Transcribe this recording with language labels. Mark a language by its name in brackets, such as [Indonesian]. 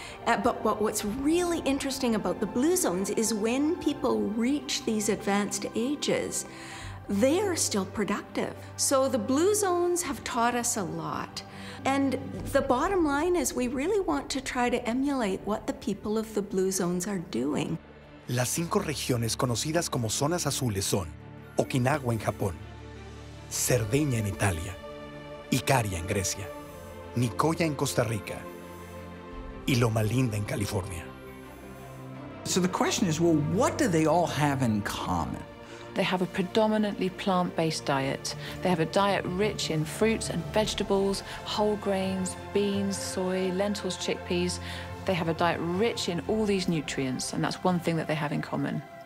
[English] But what's really interesting about the blue zones is when people reach these advanced ages, they are still productive. So the blue zones have taught us a lot. And the bottom line is we really want to try to emulate what the people of the blue zones are doing. [Spanish] Las cinco regiones conocidas como zonas azules son Okinawa en Japón, Cerdeña en Italia, Icaria en Grecia, Nicoya en Costa Rica, y Loma Linda en California. [English] So the question is, well, what do they all have in common? They have a predominantly plant-based diet. They have a diet rich in fruits and vegetables, whole grains, beans, soy, lentils, chickpeas. They have a diet rich in all these nutrients, and that's one thing that they have in common.